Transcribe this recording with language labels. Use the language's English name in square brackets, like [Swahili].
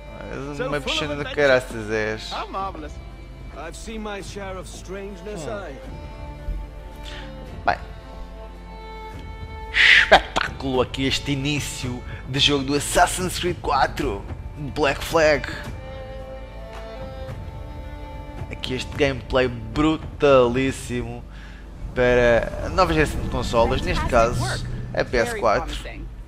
[Portuguese] És uma bichona de caraças, és. [English] How marvelous. I've seen my share of strangeness, I. [Portuguese] Bem. Espetáculo aqui este início de jogo do Assassin's Creed 4 Black Flag. Aqui este gameplay brutalíssimo para a nova geração de consolas, neste caso a PS4.